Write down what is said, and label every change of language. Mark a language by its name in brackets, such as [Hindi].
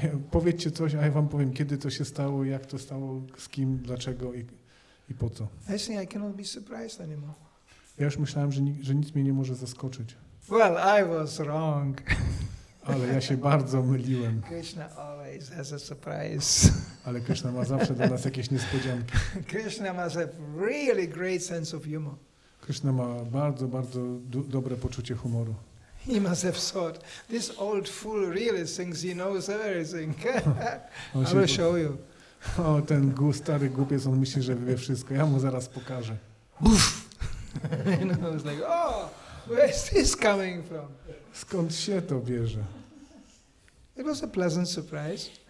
[Polish] Powiedzcie coś, a ja wam powiem, kiedy to się stało, jak to stało, z kim, dlaczego i po co. [English] Actually, I cannot be surprised anymore. [Polish] Ja już myślałem, że nic mnie nie może zaskoczyć. [English] Well, I was wrong. [Polish] Ale ja się bardzo myliłem. [English] Krishna always has a surprise. [Polish] Ale Krishna ma zawsze dla nas jakieś niespodzianki. [English] Krishna has a really great sense of humor. [Polish] Krishna ma bardzo, bardzo dobre poczucie humoru. [English] He must have thought, this old fool really thinks he knows everything. I will show you. [Polish] O, ten stary głupiec, on myśli, że wie wszystko. Ja mu zaraz pokażę. Uff! [English] You know, I was like, oh, where is this coming from? [Polish] Skąd się to bierze? [English] It was a pleasant surprise.